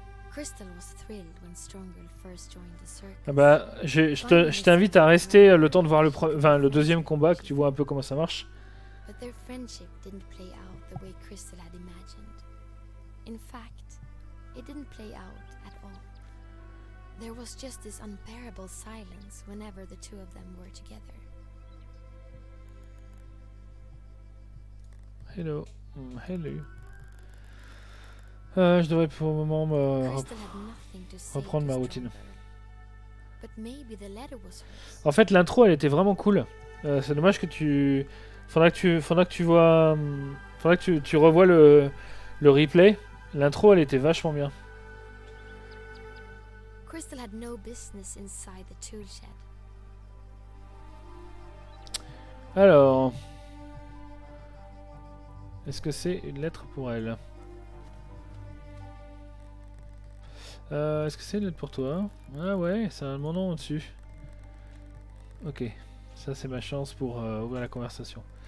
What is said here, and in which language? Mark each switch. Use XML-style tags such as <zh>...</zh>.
<en>Crystal was thrilled when Stronger first joined the circus.</en> <fr>Ah bah, je t'invite à rester le temps de voir le deuxième combat, que tu vois un peu comment ça marche.</fr> <en>But their friendship didn't play out the way Crystal had imagined. In fact, It didn't play out at all. There was just this unbearable silence whenever the two of them were together. Hello. Hello.</en> <fr>Je devrais pour le moment me reprendre ma routine.</fr> <en>But maybe the letter was hers.</en> <fr>En fait, l'intro, elle était vraiment cool. C'est dommage que tu... Faudra que tu revoies le replay. L'intro, elle était vachement bien.</fr> <en>Crystal had no business inside the tool shed.</en> <fr>Alors, est-ce que c'est une lettre pour elle? Est-ce que c'est une lettre pour toi? Ah ouais, ça a mon nom au-dessus. Ok, ça c'est ma chance pour ouvrir la conversation.</fr>